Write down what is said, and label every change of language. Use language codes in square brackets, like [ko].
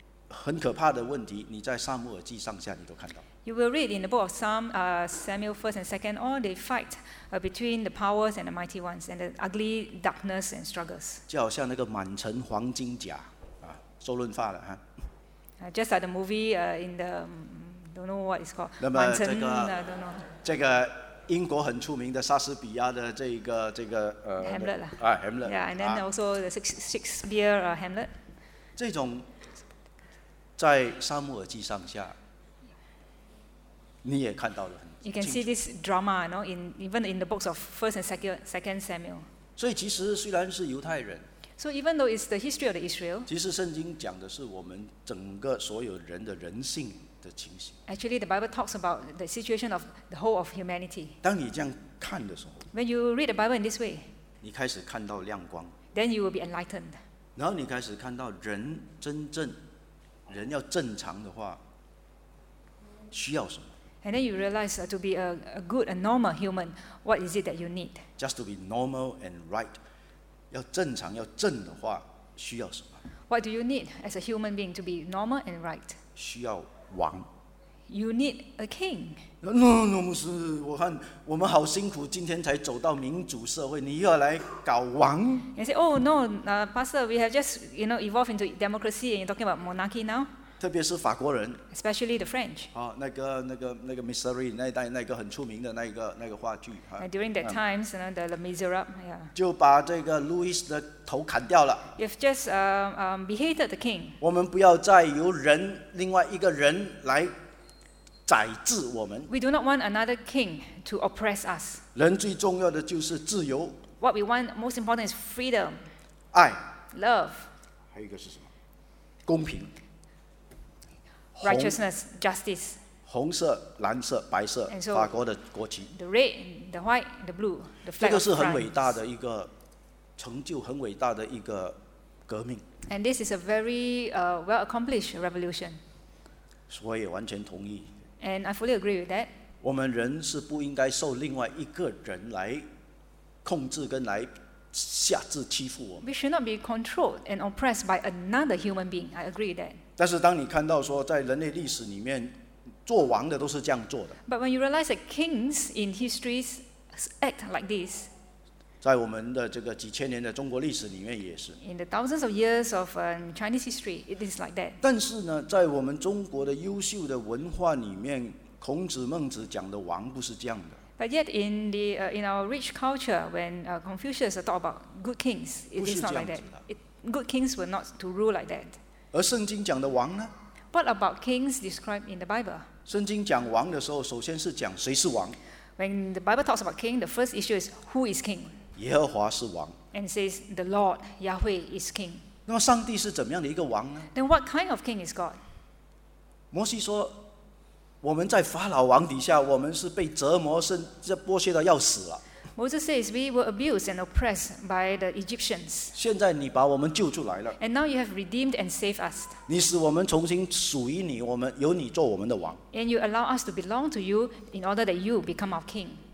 [zh] 很可怕的问题，你在撒母耳记上下你都看到。 [en] You will read in the book of Samuel first and second, all the fight between the powers and the mighty ones, and the ugly darkness and struggles. [zh] 就好像那个满城黄金甲啊，周润发的哈。 [en] Just like the movie in the don't know what it's called. [zh] 那么这个满城这个英国很出名的莎士比亚的这个 Hamlet 啦。Hamlet。 [en] Yeah, and then also the Shakespeare Hamlet。 [zh] 这种在撒母耳记上下，你也看到了很清楚。 [en] You can see this drama, you know, even in the books of First and Second Samuel。 [zh] 所以其实虽然是犹太人。 [en] So even though it's the history of Israel, [zh] 其实圣经讲的是我们整个所有人的人性的情形。 [en] Actually, the Bible talks about the situation of the whole of humanity. [zh] 当你这样看的时候， [en] when you read the Bible in this way, [zh] 你开始看到亮光。 [en] Then you will be enlightened. [zh] 然后你开始看到人真正，人要正常的话，需要什么？ [en] And then you realize to be a good, a normal human, what is it that you need? Just to be normal and right. [zh] 要正常要正的话需要什么？ [en] What do you need as a human being to be normal and right? [zh] 需要王。 [en] You need a king. No, [zh] 牧师，我看我们好辛苦，今天才走到民主社会，你又要来搞王。 [en] You say, oh no, Pastor, we have just, you know, evolved into democracy and you're talking about monarchy now. [zh] 特别是法国人。 [en] Especially the French. [zh] 那个 Misery 那一代那个很出名的那个话剧。 [en] During that times, you know, the Miserables, yeah. [zh] 就把这个 Louis 的头砍掉了。 [en] You've just beheaded the king. [zh] 我们不要再由人另外一个人来宰制我们。 [en] We do not want another king to oppress us. [zh] 人最重要的就是自由。 [en] What we want most important is freedom. [zh] 爱。 [en] Love. [zh] 还有一个是什么？公平。 [en] Righteousness, justice. [zh] 红色、蓝色、白色， [en] so, [zh] 法国的国旗。 [en] The red, the white, the blue, the flag of France. [zh] 这个是很伟大的一个成就，很伟大的一个革命。 [en] And this is a very well accomplished revolution. [zh] 我也完全同意。 [en] And I fully agree with that. [zh] 我们人是不应该受另外一个人来控制跟来下至欺负我们。 [en] We should not be controlled and oppressed by another human being. I agree with that. [zh] 但是当你看到说在人类历史里面做王的都是这样做的。 [en] But when you realize that kings in history act like this, [zh] 在我们的这个几千年的中国历史里面也是。 [en] In the thousands of years of Chinese history, it is like that. [zh] 但是呢，在我们中国的优秀的文化里面，孔子、孟子讲的王不是这样的。 [en] But yet in the in our rich culture, when Confucius talk about good kings, it is not like that. Good kings were not to rule like that. [zh] 而圣经讲的王呢？ [en] What about kings described in the Bible? [zh] 圣经讲王的时候，首先是讲谁是王。 [en] When the Bible talks about king, the first issue is who is king? [zh] 耶和华是王。 [en] And it says the Lord Yahweh is king. [zh] 那么上帝是怎么样的一个王呢？ [en] Then what kind of king is God? [zh] 摩西说，我们在法老王底下，我们是被折磨，甚至剥削到要死了。 [en] Moses says we were abused and oppressed by the Egyptians. [zh] 现在你把我们救出来了。 [en] And now you have redeemed and saved us. [zh] 你使我们重新属于你，我们由你做我们的王。 [en] And you allow us to belong to you in order that you become our king.